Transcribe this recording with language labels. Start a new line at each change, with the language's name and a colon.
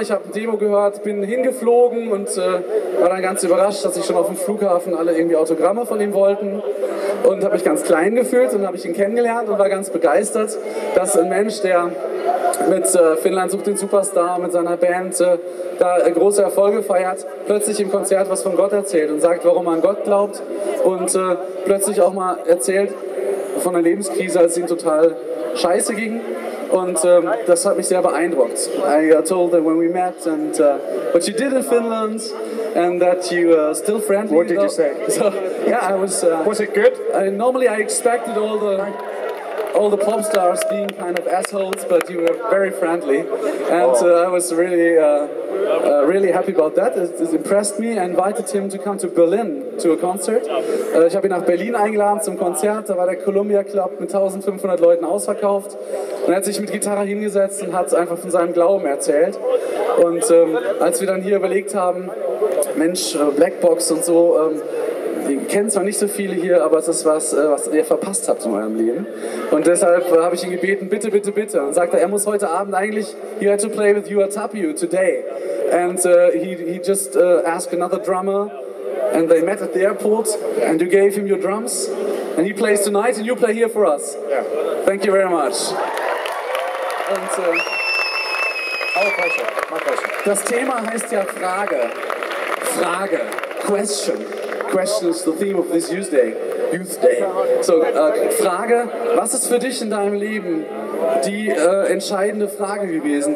German: Ich habe eine Demo gehört, bin hingeflogen und war dann ganz überrascht, dass ich schon auf dem Flughafen alle irgendwie Autogramme von ihm wollten und habe mich ganz klein gefühlt und habe ich ihn kennengelernt und war ganz begeistert, dass ein Mensch, der mit Finnland sucht den Superstar, mit seiner Band da große Erfolge feiert, plötzlich im Konzert was von Gott erzählt und sagt, warum man an Gott glaubt und plötzlich auch mal erzählt von einer Lebenskrise, als ihm total scheiße ging. Und das hat mich sehr beeindruckt.
English: I told them when we met and what you did in Finland and that you still friendly. What did you say? So, yeah, I was... Was it good? I normally I expected all the... all the pop stars being kind of assholes, but you were very friendly, and I was really really happy about that. It impressed me. I invited him to come to Berlin to a concert.
German: Ich habe ihn nach Berlin eingeladen zum Konzert. Da war der Columbia Club mit 1500 Leuten ausverkauft. Und er hat sich mit Gitarre hingesetzt und hat einfach von seinem Glauben erzählt. Und als wir dann hier überlegt haben, Mensch, Blackbox und so, ihr kennt zwar nicht so viele hier, aber es ist was, was ihr verpasst habt in eurem Leben. Und deshalb habe ich ihn gebeten, bitte, bitte, bitte. Und sagte, er muss heute Abend eigentlich,
English: he had to play with you at Tapio today. And he just asked another drummer and they met at the airport and you gave him your drums. And he plays tonight and you play here for us. Yeah. Thank you very much. Und, our pleasure. My pleasure.
German: Das Thema heißt ja Frage. Frage. Question.
English: Question is the theme of this Youth Day.
German: So, Frage. Was ist für dich in deinem Leben die entscheidende Frage gewesen?